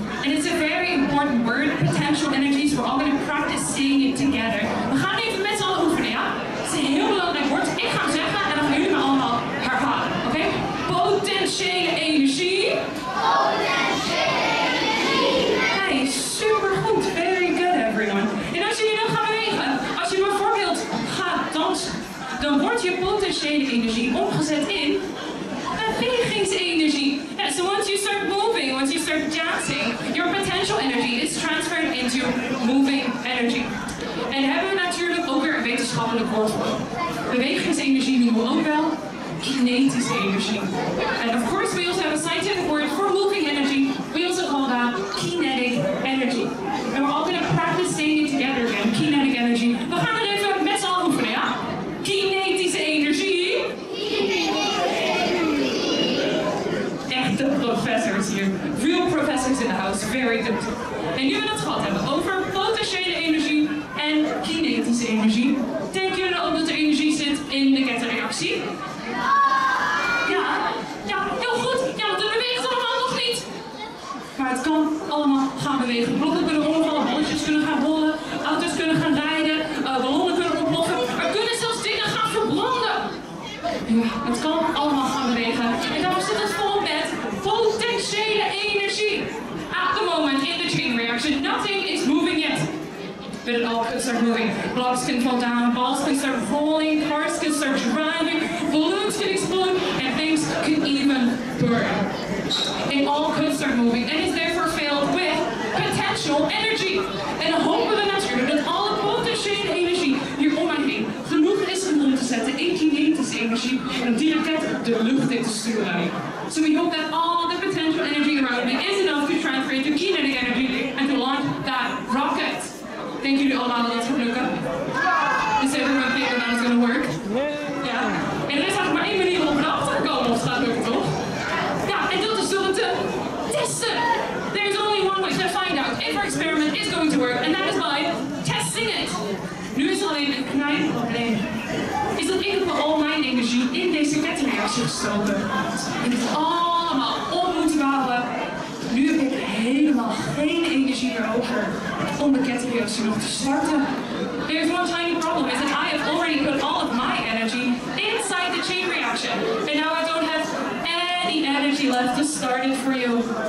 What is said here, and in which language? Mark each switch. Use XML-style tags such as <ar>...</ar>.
<en>And it's a very important word, potential energy, so we're all going to practice saying it together.</en> <nl>We gaan even met z'n allen oefenen, ja? Het is een heel belangrijk woord. Ik ga het zeggen en dan gaan jullie me allemaal herhalen, oké? Potentiële energie. Potentiële energie. Hey, super goed.</nl> <en>Very good, everyone.</en> <nl>En als jullie dan gaan bewegen, als je bijvoorbeeld gaat dansen, dan wordt je potentiële energie omgezet in bewegingsenergie.</nl> <en>Yeah, so once you start moving, once you start dancing, your potential energy is transferred into moving energy.</en> <nl>En hebben we natuurlijk ook weer een wetenschappelijk woord voor. Bewegingsenergie noemen we ook wel kinetische energie.</nl> <en>And of course we also have a scientific word for moving energy. We also call that kinetic energy. And we're all going to practice saying it together again, kinetic energy.</en> <nl>We gaan het even met z'n allen oefenen, ja? Kinetische energie.</nl> <en>Professors here, real professors in the house, very good.</en> <nl>En nu we het gehad hebben over potentiële energie en kinetische energie, denken jullie ook dat er energie zit in de kettingreactie? Ja! Ja, heel goed! Ja, want het beweegt allemaal nog niet! Maar het kan allemaal gaan bewegen. Blokken kunnen rollen, bolletjes kunnen gaan rollen, auto's kunnen gaan rijden, ballonnen kunnen ontploffen. Er kunnen zelfs dingen gaan verbranden! Ja, het kan allemaal gaan bewegen. En daarom zit het vol met potentiële energie.</nl> <en>At the moment in the chain reaction, nothing is moving yet. But it all can start moving. Blocks can fall down, balls can start rolling, cars can start driving, balloons can explode, and things can even burn. It all could start moving and is therefore filled with potential energy.</en> <nl>En dan hopen we natuurlijk dat alle potentiële energie hier om mij heen genoeg is om te zetten in kinetische energie en direct de lucht in te sturen.</nl> <en>So we hope that all the potential energy around me is enough to transfer into kinetic energy and to launch that rocket. Thank you to all of us for looking. Is everyone thinking that is going to work? Yeah.</en> <nl>En er is eigenlijk maar één manier om erachter te komen of het gaat lukken, toch? Ja, en dat is door te testen.</nl> <en>There's only one way to find out if our experiment is going to work, and that is by testing it.</en> <nl>Nu is alleen een klein probleem. Is dat ik heb al mijn energie in deze kettingreactie gestoken. En het allemaal om moeten bouwen. Nu heb ik helemaal geen energie meer over om de kettingreactie nog te starten.</nl> <en>There's one tiny problem, is that I have already put all of my energy inside the chain reaction. And now I don't have any energy left to start it for you.</en>